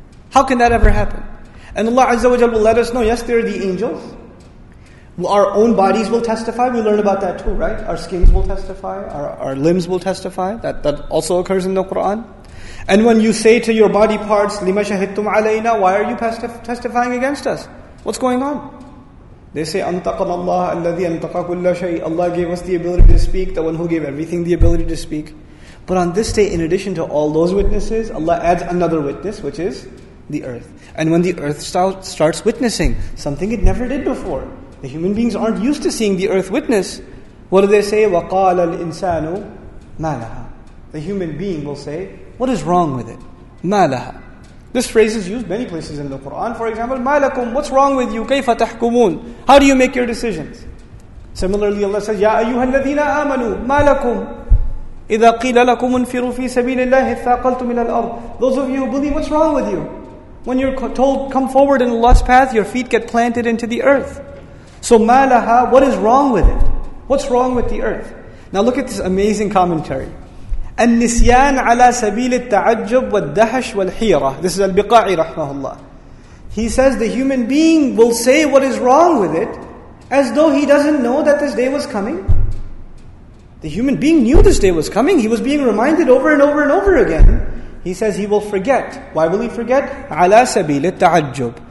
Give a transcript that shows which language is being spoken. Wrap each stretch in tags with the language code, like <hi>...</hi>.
<en>How can that ever happen? And Allah Azza wa Jalla will let us know, yes, they're the angels. Our own bodies will testify. We learn about that too, right? Our skins will testify. Our limbs will testify. That also occurs in the Quran. And when you say to your body parts,</en> <ar>لِمَ شَهِدْتُمْ عَلَيْنَا,</ar> <en>why are you testifying against us? What's going on?</en> <ar>They say, أَنْتَقَنَ اللَّهَ الَّذِي أَنْتَقَ كُلَّ شَيْءٍ.</ar> <en>Allah gave us the ability to speak, the one who gave everything the ability to speak. But on this day, in addition to all those witnesses, Allah adds another witness, which is the earth. And when the earth starts witnessing something it never did before, the human beings aren't used to seeing the earth witness, what do they say?</en> <ar>وَقَالَ الْإِنسَانُ مَا لَهَا.</ar> <en>The human being will say, what is wrong with it?</en> <ar>مَا لَهَا.</ar> <en>This phrase is used many places in the Quran. For example,</en> <ar>مَا لَكُمْ,</ar> <en>what's wrong with you?</en> <ar>كَيْفَ تَحْكُمُونَ,</ar> <en>how do you make your decisions? Similarly, Allah says,</en> <ar>يَا أَيُّهَا الَّذِينَ آمَنُوا مَا لَكُمْ إِذَا قِيلَ لَكُمْ انْفِرُوا فِي سَبِيلِ اللَّهِ اثَّاقَلْتُمْ مِنَ الْأَرْضِ.</ar> <en>Those of you who believe, what's wrong with you? When you're told, come forward in Allah's path, your feet get planted into the earth. So</en> <ar>مَا لَهَا,</ar> <en>what is wrong with it? What's wrong with the earth? Now look at this amazing commentary.</en> <ar>النسيان على سبيل التعجب والدهش والحيرة.</ar> <en>This is Al-Biqa'i رحمه الله. He says the human being will say what is wrong with it as though he doesn't know that this day was coming. The human being knew this day was coming. He was being reminded over and over and over again. He says he will forget. Why will he forget?</en> <ar>على سبيل التعجب.</ar>